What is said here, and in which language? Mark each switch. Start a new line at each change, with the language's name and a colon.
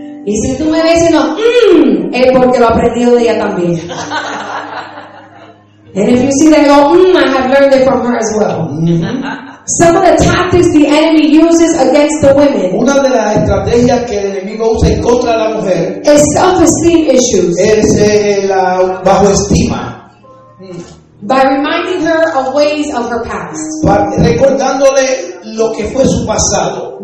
Spanish: Y si tú me ves y no, es porque lo he aprendido de ella también.
English: And if you see that, go, I have learned it from her as well. Some of the tactics the enemy uses against the women,
Spanish: una de las estrategias que el enemigo usa en contra de la mujer, es self-esteem issues. Es la bajo estima.
English: By reminding her of ways of her past.
Spanish: Recordándole lo que fue su pasado.